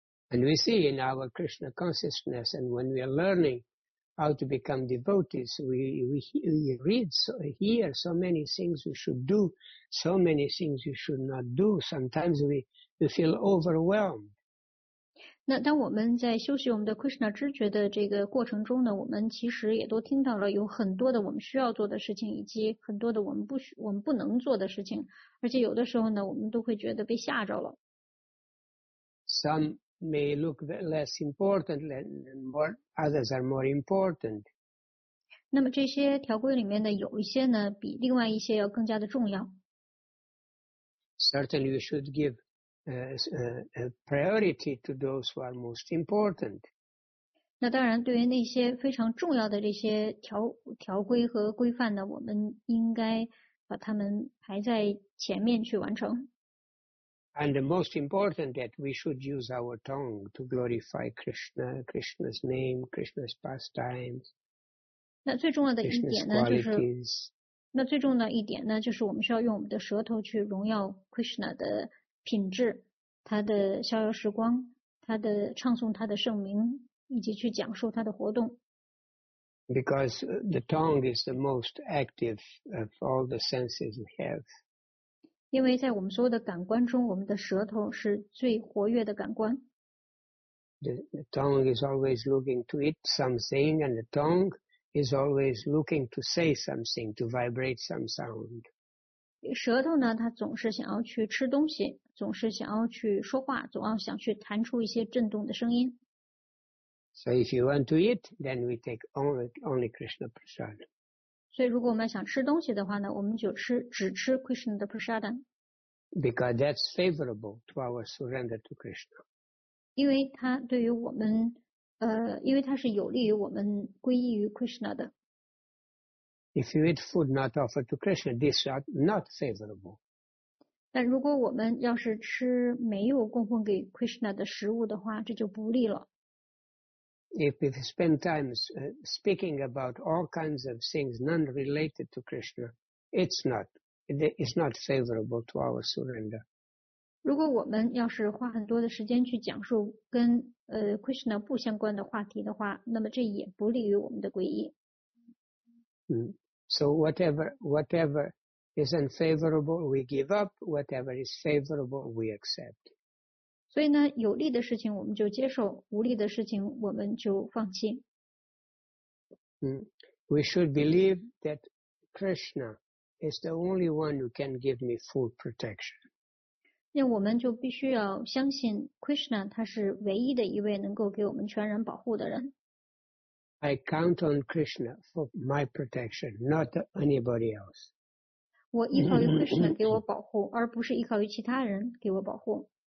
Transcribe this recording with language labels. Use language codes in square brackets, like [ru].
[en] And we see in our Krishna consciousness and when we are learning how to become devotees, we read, so, hear so many things we should do, so many things we should not do. Sometimes we feel overwhelmed. [zh] 那当我们在修习我们的 Krishna 知觉的这个过程中呢，我们其实也都听到了有很多的我们需要做的事情，以及很多的我们不能做的事情，而且有的时候呢，我们都会觉得被吓着了。 [en] Some may look less important, others are more important. [zh] 那么这些条规里面呢，有一些呢，比另外一些要更加的重要。 [en] Certainly, we should give a priority to those who are most important. [zh] 那当然，对于那些非常重要的这些条规和规范呢，我们应该把它们排在前面去完成。 [en] And the most important that we should use our tongue to glorify Krishna, Krishna's name, Krishna's pastimes. [zh] 那最重要的一点呢，就是那最重要的一点呢，就是我们需要用我们的舌头去荣耀 Krishna 的品质，他的逍遥时光，他的唱诵他的圣名。以及去讲述他的活动。 [en] Because the tongue is the most active of all the senses we have. [zh] 因为在我们所有的感官中，我们的舌头是最活跃的感官。 [en] The tongue is always looking to eat something, and the tongue is always looking to say something, to vibrate some sound. [zh] 舌头呢，它总是想要去吃东西，总是想要去说话，总要想去弹出一些震动的声音。 [en] So if you want to eat, then we take only Krishna prasad. [zh] 所以如果我们想吃东西的话呢，我们就只吃 Krishna 的 prasad. [en] Because that's favorable to our surrender to Krishna. [zh] 因为它对于我们，因为它是有利于我们皈依于 Krishna 的。 [en] If you eat food not offered to Krishna, this is not favorable. [zh] 但如果我们要是吃没有供奉给 Krishna 的食物的话，这就不利了。 [en] If we spend time speaking about all kinds of things non related to Krishna, it's not favorable to our surrender. [zh] 如果我们要是花很多的时间去讲述跟Krishna 不相关的话题的话，那么这也不利于我们的皈依。 [en] So whatever is unfavorable, we give up. Whatever is favorable, we accept. [zh] 所以呢，有利的事情我们就接受，无利的事情我们就放弃。 [en] We should believe that Krishna is the only one who can give me full protection. [zh] 那我们就必须要相信 Krishna 他是唯一的一位能够给我们全然保护的人。 [en] I count on Krishna for my protection, not anybody else. [zh] 我依靠于 Krishna 给我保护，而不是依靠于其他人给我保护。